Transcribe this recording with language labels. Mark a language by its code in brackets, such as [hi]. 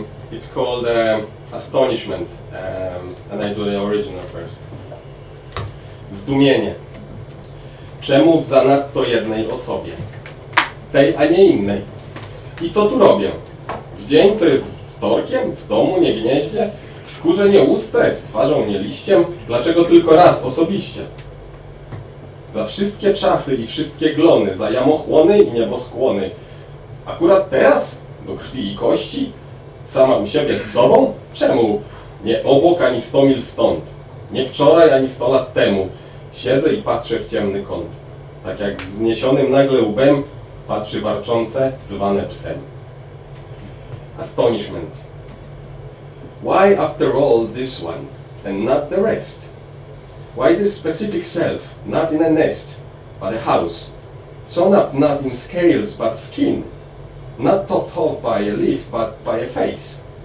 [en] It's called Astonishment, and I do the original first. [pl] Zdumienie. Czemu w zanadto jednej osobie? Tej, a nie innej. I co tu robię? W dzień, co jest wtorkiem? W domu nie gnieździe? W skórze nie usta, z twarzą nie liściem? Dlaczego tylko raz osobiście? Za wszystkie czasy i wszystkie glony, za jamochłony i nieboskłony. akurat teraz, do krwi i kości, sama u siebie z sobą? Czemu nie obok ani 100 mil stąd? Nie wczoraj, ani 100 lat temu. Siedzę i patrzę w ciemny kąt. Tak jak zniesionym nagle łbem patrzy warczące, zwane psem. [en] Astonishment. Why after all this one, and not the rest? Why this specific self, not in a nest, but a house? Sewn up not in scales, but skin. Not topped off by a leaf, but by a face.